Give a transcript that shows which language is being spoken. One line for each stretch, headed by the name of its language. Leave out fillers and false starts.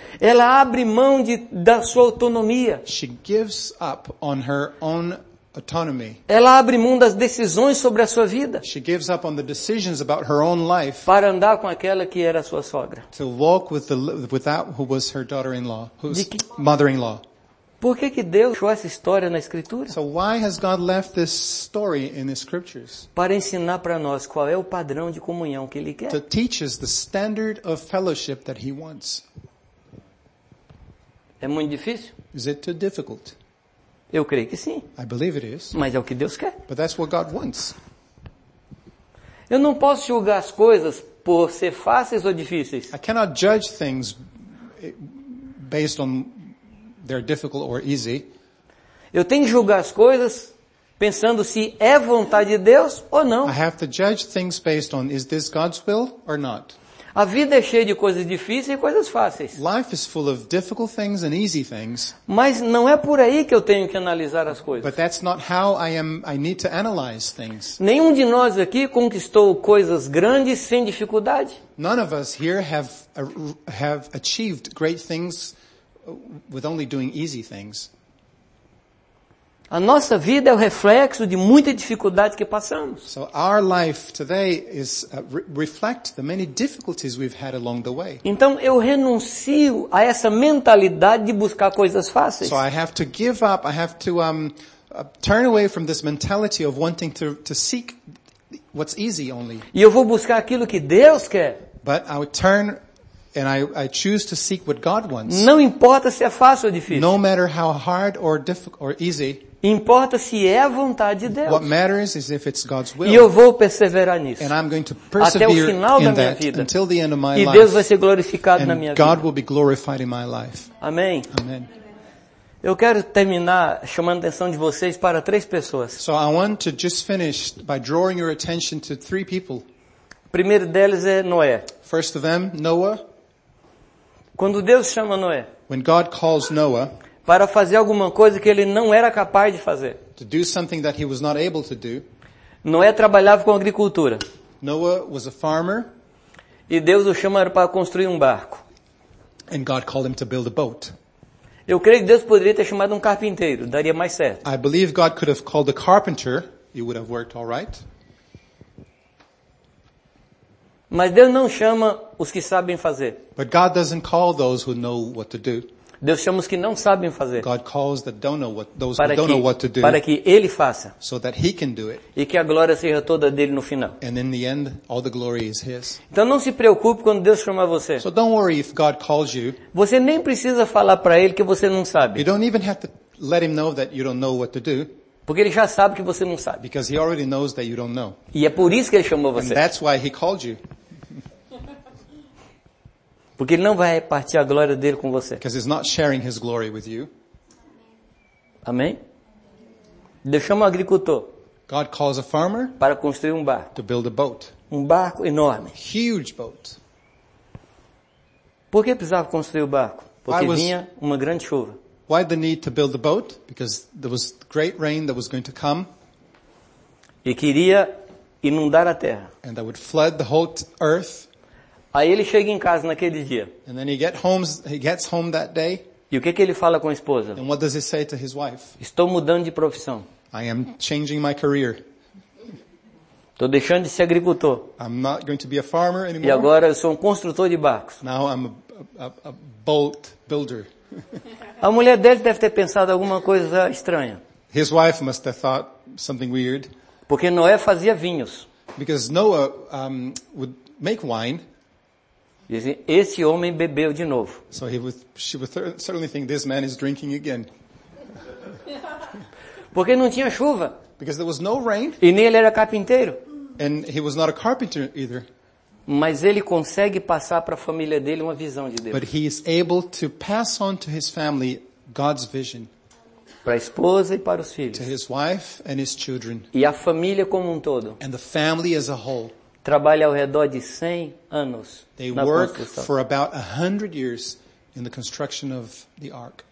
Portuguese: Ela abre mão da sua autonomia.
English: She gives up on her own autonomy.
Portuguese: Ela abre mão das decisões sobre a sua vida.
English: She gives up on the decisions about her own life.
Portuguese: Para andar com aquela que era sua sogra.
English: To walk with that who was her daughter-in-law, whose mother-in-law.
Portuguese: Por que que Deus deixou essa história na Escritura?
English: So why has God left this story in the Scriptures?
Portuguese: Para ensinar para nós qual é o padrão de comunhão que Ele quer.
English: To teach us the standard of fellowship that He wants.
Portuguese: É muito difícil?
English: Is it too difficult?
Portuguese: Eu creio que sim.
English: I believe it is.
Portuguese: Mas é o que Deus quer.
English: But that's what God wants.
Portuguese: Eu não posso julgar as coisas por ser fáceis ou difíceis.
English: I cannot judge things based on their difficult or easy.
Portuguese: Eu tenho que julgar as coisas pensando se é vontade de Deus ou não.
English: I have to judge things based on is this God's will or not.
Portuguese: A vida é cheia de coisas difíceis e coisas fáceis.
English: Life is full of difficult things and easy things.
Portuguese: Mas não é por aí que eu tenho que analisar as coisas.
English: But that's not how I need to analyze things.
Portuguese: Nenhum de nós aqui conquistou coisas grandes sem dificuldade.
English: None of us here have achieved great things with only doing easy things.
Portuguese: A nossa vida é o reflexo de muita dificuldade que passamos.
English: So our life today is reflect the many difficulties we've had along the way.
Portuguese: Então eu renuncio a essa mentalidade de buscar coisas fáceis.
English: So I have to give up, I have to turn away from this mentality of wanting to seek what's easy only.
Portuguese: E eu vou buscar aquilo que Deus quer.
English: But I would turn And I choose to seek what God wants.
Portuguese: Não importa se é fácil ou difícil.
English: No matter how hard or difficult or easy.
Portuguese: Importa se é a vontade de Deus.
English: What matters is if it's God's will.
Portuguese: E eu vou perseverar nisso.
English: And I'm going to persevere
Portuguese: até o final da minha vida.
English: Until the end of my
Portuguese: life. E Deus vai ser glorificado na minha vida.
English: And God will be glorified in my life.
Portuguese: Amém.
English: Amen.
Portuguese: Eu quero terminar chamando a atenção de vocês para três pessoas.
English: So I want to just finish by drawing your attention to three people.
Portuguese: O primeiro deles é Noé.
English: First of them, Noah.
Portuguese: Quando Deus chama Noé.
English: When God calls Noah.
Portuguese: Para fazer alguma coisa que ele não era capaz de fazer.
English: To do something that he was not able to do.
Portuguese: Noé trabalhava com agricultura.
English: Noah was a farmer.
Portuguese: E Deus o chama para construir um barco.
English: And God called him to build a boat.
Portuguese: Eu creio que Deus poderia ter chamado um carpinteiro, daria mais certo.
English: I believe God could have called a carpenter, it would have worked all right.
Portuguese: Mas Deus não chama os que sabem fazer.
English: But God doesn't call those who know what to do.
Portuguese: Deus chama os que não sabem fazer.
English: God calls that don't know what, those who don't know what to do.
Portuguese: Para que ele faça.
English: So that he can do it.
Portuguese: E que a glória seja toda dele no final.
English: And in the end, all the glory is his.
Portuguese: Então não se preocupe quando Deus chamar você.
English: So don't worry if God calls you.
Portuguese: Você nem precisa falar para ele que você não sabe.
English: You don't even have to let him know that you don't know what to do.
Portuguese: Porque ele já sabe que você não sabe.
English: Because he already knows that you don't know.
Portuguese: E é por isso que ele chamou você.
English: And that's why he called you.
Portuguese: Porque ele não vai repartir a glória dele com você.
English: Because he's not sharing his glory with you.
Portuguese: Amém? Deus chama um agricultor.
English: God calls a farmer.
Portuguese: Para construir um barco.
English: To build a boat.
Portuguese: Um barco enorme.
English: A huge boat.
Portuguese: Por que precisava construir o barco? Porque vinha uma grande chuva.
English: Why the need to build the boat? Because there was great rain that was going to come.
Portuguese: E queria inundar a terra.
English: And that would flood the whole earth.
Portuguese: Aí ele chega em casa naquele dia.
English: And then he gets home that day.
Portuguese: E o que que ele fala com a esposa?
English: And what does he say to his wife?
Portuguese: Estou mudando de profissão.
English: I am changing my career.
Portuguese: Estou deixando de ser agricultor.
English: I'm not going to be a farmer anymore.
Portuguese: E agora eu sou um construtor de barcos.
English: Now I'm a boat builder.
Portuguese: A mulher dele deve ter pensado alguma coisa estranha.
English: His wife must have thought something weird.
Portuguese: Porque Noé fazia vinhos.
English: Because Noah would make wine.
Portuguese: Dizem, esse homem bebeu de novo.
English: So she would certainly think this man is drinking again.
Portuguese: Porque não tinha chuva.
English: Because there was no rain.
Portuguese: E nem ele era carpinteiro.
English: And he was not a carpenter either.
Portuguese: Mas ele consegue passar para a família dele uma visão de Deus.
English: But he is able to pass on to his family God's vision.
Portuguese: Para a esposa e para os filhos.
English: To his wife and his children.
Portuguese: E a família como um todo.
English: And the family as a whole.
Portuguese: Trabalha ao redor de 100 anos.
English: They work for about 100 years in the construction of the ark.